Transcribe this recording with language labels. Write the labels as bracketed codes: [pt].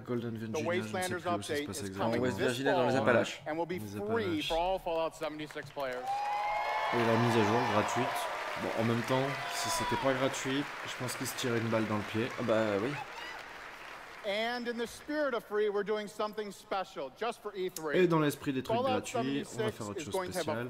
[fr] Golden Virginia, je ne sais plus où ça se passe exactement. West Virginia dans les Appalaches. Les Appalaches. Et la mise à jour gratuite. Bon, en même temps, si c'était pas gratuit, je pense qu'il se tirait une balle dans le pied. Ah bah oui. [en] And in the spirit of free, we're doing something special just for E3. [fr] Et dans l'esprit des trucs gratuits, on va faire autre chose spéciale.